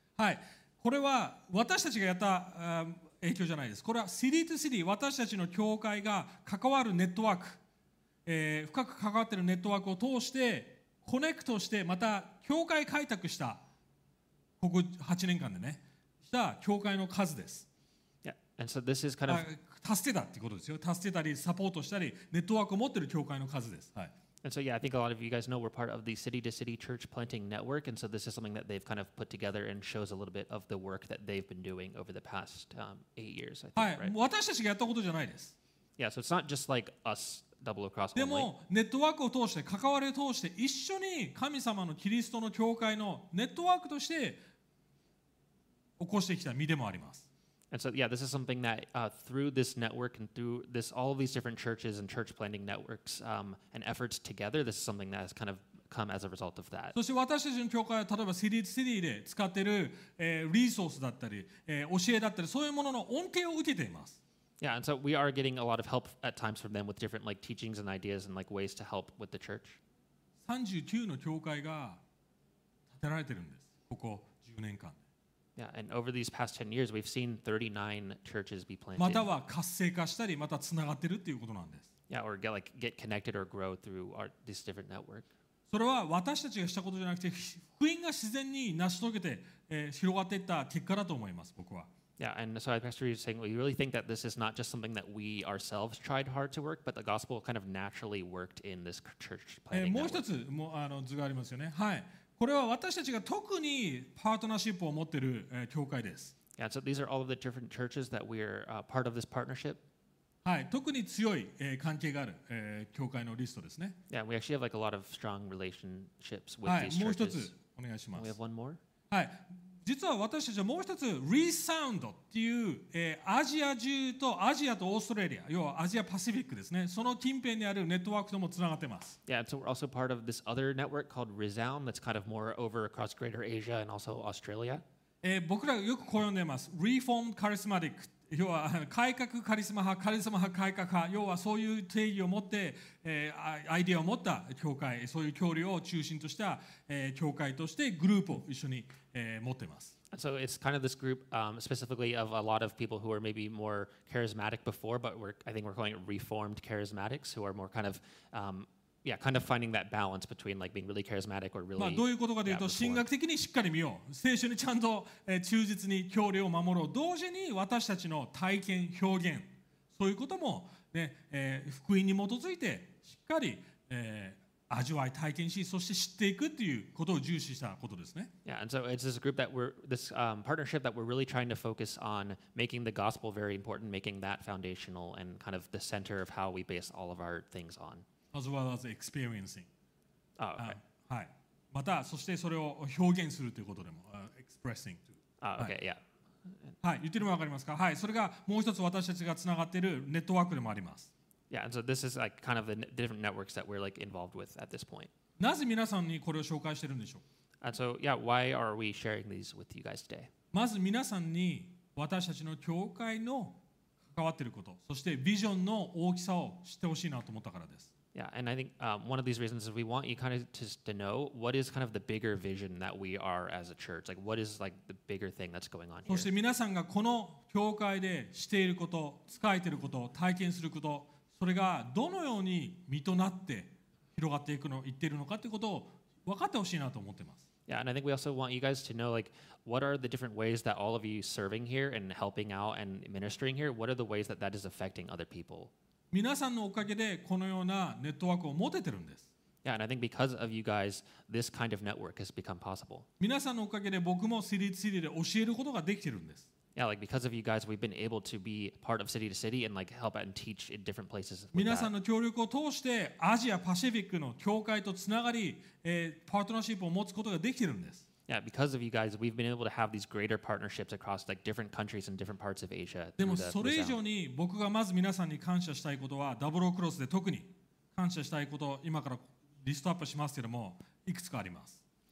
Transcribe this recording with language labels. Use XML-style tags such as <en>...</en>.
<ja>はい、これは私たちがやった影響じゃないです。これはシリーズシリーズ、私たちの教会が関わるネットワーク、深く関わっているネットワークを通してコネクトして、また教会開拓した。ここ8年間でね、した教会の数です。</ja> <en>Yeah. And so this is kind of</en> <ja>助けたってことですよ。助けたりサポートしたりネットワークを持ってる教会の数です。はい。</ja> <en>And so yeah, I think a lot of you guys know we're part of the City to City Church Planting Network, and so this is something that they've kind of put together and shows a little bit of the work that they've been doing over the past 8 years. I think,</en> <ja>はい。</ja> <en>Right?</en> <ja>私たちがやったことじゃないです。</ja> <en>Yeah, so it's not just like us Double Across.</en> <ja>でもネットワークを通して関わりを通して一緒に神様のキリストの教会のネットワークとして起こしてきた身でもあります。</ja> <en>And so, yeah, this is something that through this network and through this, all of these different churches and church planting networks and efforts together, this is something that has kind of come as a result of that.</en> <ja>そして私たちの教会は例えばシリーズシリーズで使っている、リソースだったり、教えだったり、そういうものの恩恵を受けています。</ja> <en>Yeah, and so we are getting a lot of help at times from them with different like teachings and ideas and like ways to help with the church.</en> <ja>39の教会が建てられてるんです、ここ10年間。</ja> <en>Yeah, and over these past 10 years, we've seen 39 churches be planted.</en> <ja>または活性化したり、またつながってるっていうことなんです。</ja> <en>Yeah, or get connected or grow through this different network.</en> <ja>それは私たちがしたことじゃなくて、福音が自然に成し遂げて、広がっていった結果だと思います、僕は。</ja> <en>Yeah, and so Pastor is saying, well, you really think that this is not just something that we ourselves tried hard to work, but the gospel kind of naturally worked in this church planting network.</en> <ja>もう一つもう図がありますよね。はい。これは私たちが特にパートナーシップを持っている教会です。</ja> <en>Yeah, so these are all of the different churches that we are part of this partnership.</en> <ja>はい、特に強い、関係がある、教会のリストですね。</ja> <en>Yeah, we actually have like a lot of strong relationships with these churches.</en> <ja>もう一つお願いします。</ja> <en>And we have one more.</en> <ja>はい、実は私たちはもう一つ Resound っていう、アジア中とアジアとオーストラリア、要はアジアパシフィックですね。その近辺にあるネットワークともつながってます。</ja> <en>Yeah, so we're also part of this other network called Resound that's kind of more over across Greater Asia and also Australia.</en> <ja>僕らよくこう呼んでます。</ja> <en>Reformed Charismatic。</en> <ja>要は改革カリスマ派、カリスマ派改革派、要はそういう定義を持って、アイデアを持った教会、そういう教理を中心とした、教会としてグループを一緒に、持っています。</ja> <en>So it's kind of this group, specifically of a lot of people who are maybe more charismatic before, but I think we're calling it reformed charismatics, who are more kind of, kind of finding that balance between like being really charismatic or really.</en> <ja>まあどういうことかというと、神学的にしっかり見よう、聖書にちゃんと、忠実に教理を守ろう、同時に私たちの体験表現、そういうこともね、福音に基づいてしっかり、味わい体験し、そして知っていくということを重視したことですね。</ja> <en>Yeah, and so it's this group that we're this partnership that we're really trying to focus on making the gospel very important, making that foundational and kind of the center of how we base all of our things on. As well as experiencing. Oh, okay.</en> <ja>はい。また、そしてそれを表現するということでも、</ja> <en>expressing to. Oh, okay, yeah.</en> <ja>はい。はい、言ってるのは分かりますか？はい。それがもう一つ私たちがつながっているネットワークでもあります。</ja> <en>Yeah, and so this is like kind of the different networks that we're like involved with at this point.</en> <ja>なぜ皆さんにこれを紹介してるんでしょう？</ja> <en>And so, yeah, why are we sharing these with you guys today?</en> <ja>まず皆さんに私たちの教会の関わっていること、そしてビジョンの大きさを知ってほしいなと思ったからです。</ja> <en>Yeah, and I think one of these reasons is we want you kind of just to know what is kind of the bigger vision that we are as a church. Like, what is like the bigger thing that's going on here?</en> <ja>そして皆さんがこの教会でしていること、使えていること、体験すること、それがどのように実となって広がっていくの、いっているのかということを分かってほしいなと思ってます。</ja> <en>Yeah, and I think we also want you guys to know like what are the different ways that all of you serving here and helping out and ministering here, what are the ways that that is affecting other people?</en> <ja>皆さんのおかげでこのようなネットワークを持ててるんです。</ja> <en>Yeah, and I think because of you guys, this kind of network has become possible.</en> <ja>皆さんのおかげで僕もCity to Cityで教えることができてるんです。</ja> <en>Yeah, like because of you guys, we've been able to be part of City to City and like help out and teach in different places.</en> <ja>皆さんの協力を通してアジアパシフィックの教会とつながり、パートナーシップを持つことができてるんです。</ja> <en>Yeah, because of you guys, we've been able to have these greater partnerships across like different countries and different parts of Asia.</en> <ja>でもそれ以上に僕がまず皆さんに感謝したいことは、ダブルクロスで特に感謝したいこと、今からリストアップしますけども、いくつかあります。</ja>